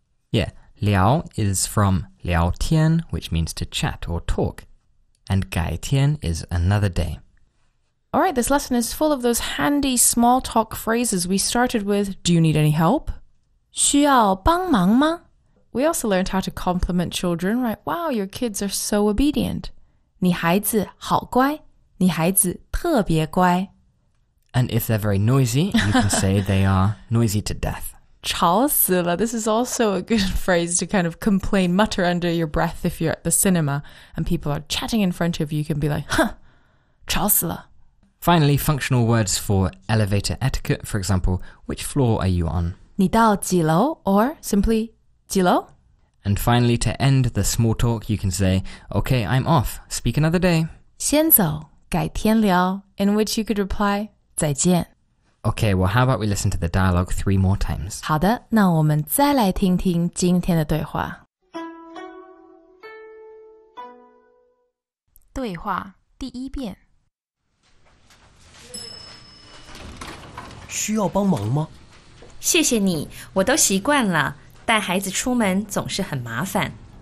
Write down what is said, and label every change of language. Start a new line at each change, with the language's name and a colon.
English: Yeah, 聊 is from 聊天, which means to chat or talk. And 改天 is another day. Alright, this lesson is full of those handy small talk phrases. We started with, do you need any help?
Chinese: 需要帮忙吗?
English: We also learned how to compliment children, right? Wow, your kids are so obedient.
Chinese: 你孩子好乖,你孩子特别乖。
English: And if they're very noisy, you can say they are noisy to death.
Chinese: 吵死了,
English: this is also a good phrase to kind of complain, mutter under your breath if you're at the cinema and people are chatting in front of you. You can be like, huh,
Chinese: 吵死了。
English: Finally, functional words for elevator etiquette, for example, which floor are you on?
Chinese: 你到几楼?
English: Or simply,
Chinese: 几楼?
English: And finally, to end the small talk, you can say, okay, I'm off, speak another day.
Chinese: 先走,改天聊,
English: in which you could reply,
Chinese: 再见。
English: Okay, well, how about we listen to the dialogue 3 more times?
Chinese: 好的,那我们再来听听今天的对话。对话第一遍。需要帮忙吗？谢谢你，我都习惯了，带孩子出门总是很麻烦。